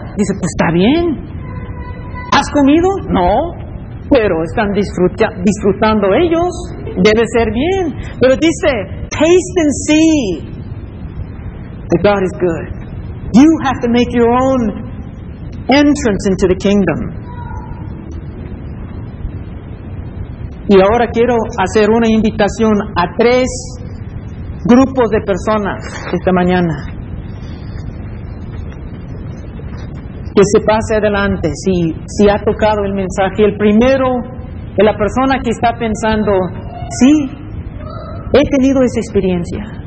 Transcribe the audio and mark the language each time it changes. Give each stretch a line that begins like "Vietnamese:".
Spanish: Dice, pues está bien. ¿Has comido? No. Pero están disfrutando ellos, debe ser bien. Pero dice,
English: taste and see that God is good. You have to make your own entrance into the kingdom.
Spanish: Y ahora quiero hacer una invitación a tres grupos de personas esta mañana. Que se pase adelante, si ha tocado el mensaje. El primero, es la persona que está pensando, sí, he tenido esa experiencia.